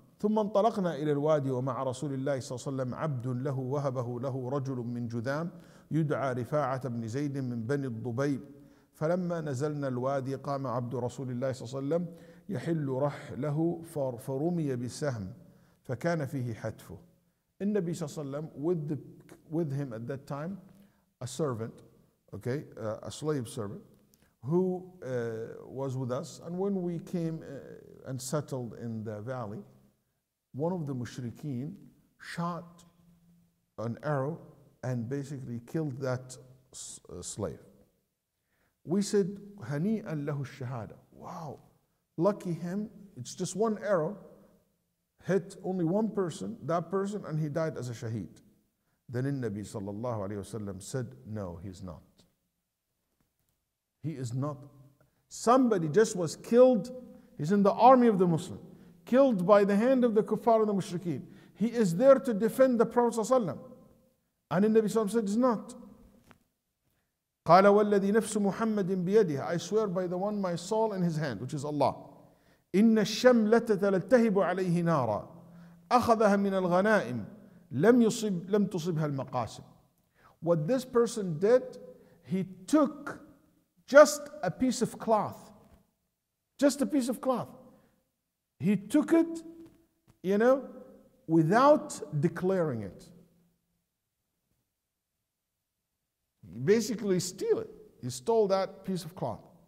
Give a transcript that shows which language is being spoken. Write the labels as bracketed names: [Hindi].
[Arabic] ثُمَّ انْطَلَقْنَا إِلَى الْوَادِ وَمَعَ رَسُولِ اللَّهِ صَلَّى اللَّهُ عَلَيْهِ وَسَلَّمَ عَبْدٌ لَهُ وَهَبَهُ لَهُ رَجُلٌ مِنْ جُذَامٍ يدعى رفاعة بن زيد من بني الضبيب فلما نزلنا الوادي قام عبد رسول الله صلى الله عليه وسلم يحل رحله فرمي بسهم فكان فيه حتفه. النبي صلى الله عليه وسلم [English] with him at that time a servant, okay, a slave servant who was with us, and when we came and settled in the valley, one of the mushrikeen shot an arrow and basically killed that slave. We said, [Arabic] هَنِيئًا لَهُ الشَّهَادَةِ. [English] Wow, lucky him. It's just one arrow, hit only one person, that person, and he died as a shaheed. Then the Nabi sallallahu alayhi wasallam said, no, he's not. He is not. Somebody just was killed. He's in the army of the Muslim, killed by the hand of the kuffar and the mushrikeen. He is there to defend the Prophet sallallahu alayhi wasallam. And the Nabi said, it's not. [Arabic] قَالَ وَالَّذِي نَفْسُ مُحَمَّدٍ بِيَدِهِ. [English] I swear by the one my soul in his hand, which is Allah. [Arabic] إِنَّ الشَّمْلَةَ لَتَّهِبُ عَلَيْهِ نَارًا أَخَذَهَا مِنَ الْغَنَائِمِ لَمْ تُصِبْهَا الْمَقَاسِمِ. [English] What this person did, he took just a piece of cloth, just a piece of cloth. He took it, you know, without declaring it. He basically steal it. He stole that piece of cloth.